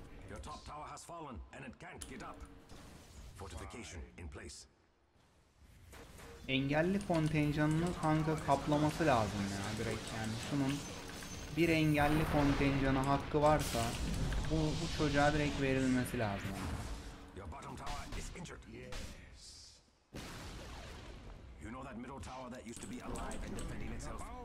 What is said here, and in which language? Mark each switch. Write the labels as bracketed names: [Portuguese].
[English] Your top tower has fallen and it can't get up. fortification in place. [Turkish] Engelli kontenjanını kanka kaplaması lazım ya direkt, yani şunun bir engelli kontenjanı hakkı varsa bu çocuğa direkt verilmesi lazım. [English] Your bottom tower is injured. Yes. You know that middle tower that used to be alive and defending itself?